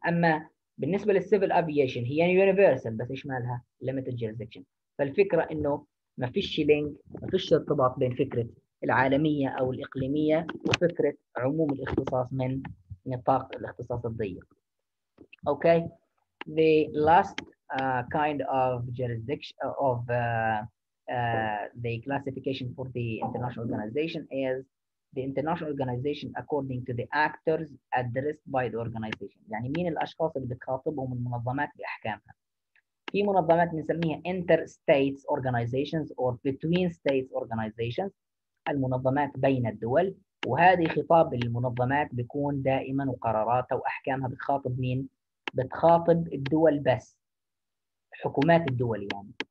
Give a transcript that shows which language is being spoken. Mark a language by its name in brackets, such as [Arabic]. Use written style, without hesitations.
[Arabic] أما بالنسبة للسيفل افيشن هي universal بس إيش مالها؟ [English] limited jurisdiction. [Arabic] فالفكرة إنه ما فيش لينك، ما فيش ارتباط بين فكرة العالمية أو الإقليمية وفكرة عموم الاختصاص من نطاق الاختصاص الضيق. [English] Okay, the last kind of jurisdiction of the classification for the international organization is the international organization according to the actors addressed by the organization. [Arabic] يعني مين الأشخاص اللي بتخاطبهم المنظمات بأحكامها؟ في منظمات نسميها [English] interstate organizations or between state organizations، [Arabic] المنظمات بين الدول، وهذه خطاب للمنظمات بيكون دائما وقراراتها وأحكامها بتخاطب مين؟ بتخاطب الدول بس، حكومات الدول يعني.